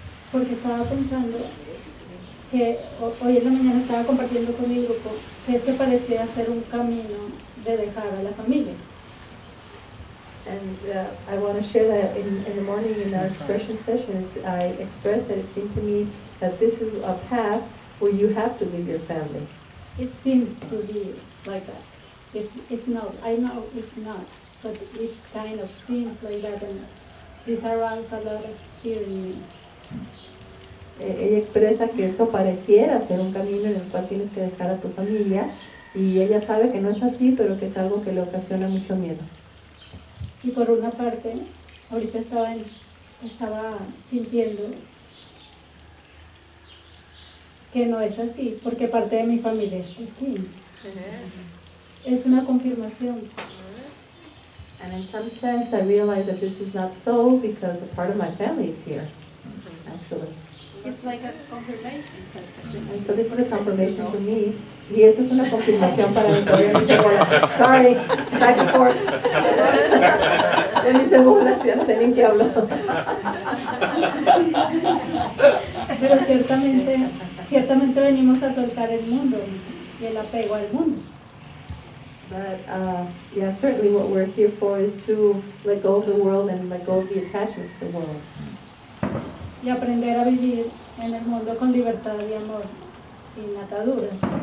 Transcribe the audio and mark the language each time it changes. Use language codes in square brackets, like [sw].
[es] Porque estaba pensando que hoy en la mañana estaba compartiendo con mi grupo que este parecía ser un camino de dejar a la familia. [en] And I want to share that in the morning in our expression sessions, I expressed that it seemed to me that this is a path where you have to leave your family. It seems to be like that. It's not. I know it's not. But it kind of seems like that, and this arouses a lot of fear in me. [es] Ella expresa que esto pareciera ser un camino en el cual tienes que dejar a tu familia, y ella sabe que no es así, pero que es algo que le ocasiona mucho miedo. Y por una parte, ahorita estaba sintiendo que no es así, porque parte de mi familia es aquí. Es una confirmación. [en] And in some sense, I realize that this is not so because a part of my family is here, actually. It's like a confirmation. So this is a confirmation for me. [es] Y esto es una confirmación para mi cerebro. [en] Sorry, back and forth. Sorry. Back and forth. [es] De mi cerebro, si no sé ni en qué hablo. Pero ciertamente venimos a soltar el mundo y el apego al mundo. [en] But yeah, certainly what we're here for is to let go of the world and let go of the attachment to the world. [es] Y aprender a vivir en el mundo con libertad y amor, sin ataduras.